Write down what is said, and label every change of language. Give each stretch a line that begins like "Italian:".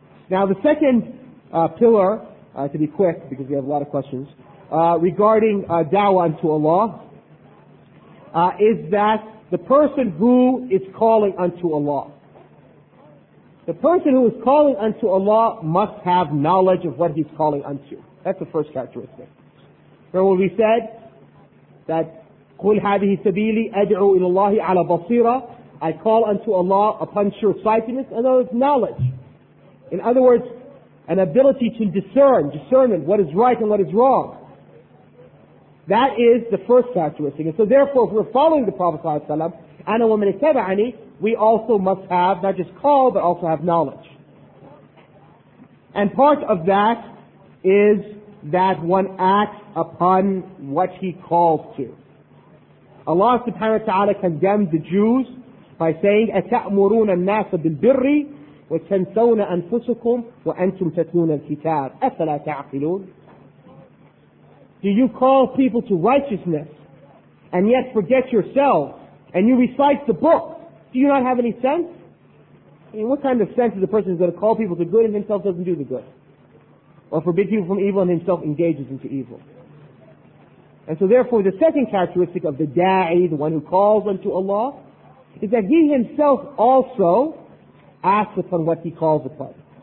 English: Now the second pillar, to be quick, because we have a lot of questions, regarding da'wah unto Allah, is that the person who is calling unto Allah, the person who is calling unto Allah must have knowledge of what he's calling unto. That's the first characteristic. Remember what we said? That
Arabic: قُلْ هَذِهِ سَبِيلِي أَدْعُوا إِلَى اللَّهِ عَلَى بَصِيرًا.
English: I call unto Allah upon sure sightedness, and that is knowledge. In other words, an ability to discern, discernment, what is right and what is wrong. That is the first characteristic. And so therefore, if we're following the Prophet ﷺ,
Arabic: أَنَا وَمَنِ اتَّبَعَنِي,
English: we also must have not just call, but also have knowledge. And part of that is that one acts upon what he calls to. Allah subhanahu wa ta'ala condemned the Jews by saying,
Arabic: أَتَأْمُرُونَ النَّاسَ بِالْبِرِّ وَتَنْسَوْنَ أَنفُسُكُمْ وَأَنْتُمْ تَتْلُونَ الْكِتَابِ أَفَلَا تَعْقِلُونَ.
English: Do you call people to righteousness and yet forget yourselves and you recite the book? Do you not have any sense? I mean, what kind of sense is a person who's going to call people to good and himself doesn't do the good? Or forbid people from evil and himself engages into evil? And so therefore, the second characteristic of the da'i, the one who calls unto Allah, is that he himself also acts upon what he calls upon.